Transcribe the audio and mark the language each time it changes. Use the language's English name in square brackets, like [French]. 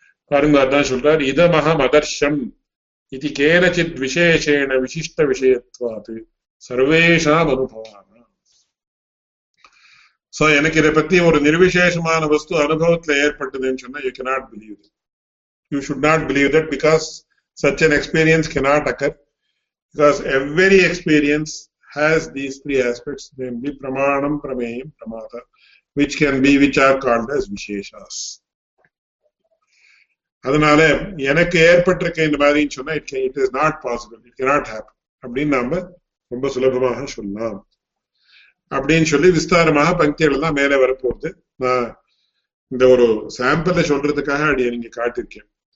[Tamil] பாருங்க அதான் சொல்றாரு, [Sanskrit] இத மகம் அதர்ஷம் இது கேனச்சித் விசேஷேன விசிஷ்ட விஷயத்துவாது சர்வேஷாம் அனுபவான. [Tamil] சோ எனக்கு இதை பத்தி ஒரு நிர்விசேஷமான வஸ்து அனுபவத்துல ஏற்பட்டதுன்னு சொன்னா [English] You cannot believe it, you should not believe that because such an experience cannot occur. Because every experience has these three aspects, namely pramanam, prameyam, pramada, which can be, which are called as visheshas. [Tamil] அதனால எனக்கு ஏற்பட்டிருக்க இந்த மாதிரி சொன்னா [English] it is not possible, it cannot happen [Tamil] அப்படின்னு நாம ரொம்ப சுலபமாக சொல்லலாம் அப்படின்னு சொல்லி விஸ்தாரமாக பங்கியில் தான் மேலே வரப்போகுது. நான் இந்த ஒரு சாம்பிள் சொல்றதுக்காக அப்படி நீங்க காட்டிருக்கேன்.